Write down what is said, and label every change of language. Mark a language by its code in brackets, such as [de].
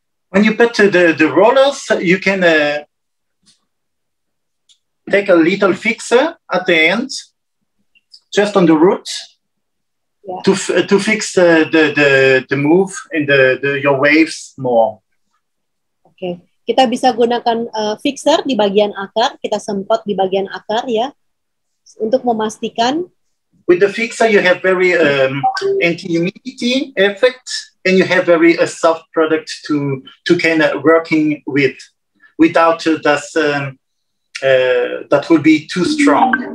[en] When you put the rollers, you can take a little fixer at the end, just on the root, to fix the move and the your waves more. Okay. [id] Kita bisa gunakan fixer di bagian akar, kita semprot di bagian akar ya, untuk memastikan. [en] With the fixer, you have very anti-humidity effect, and you have very soft product to can working with, without that will be too strong.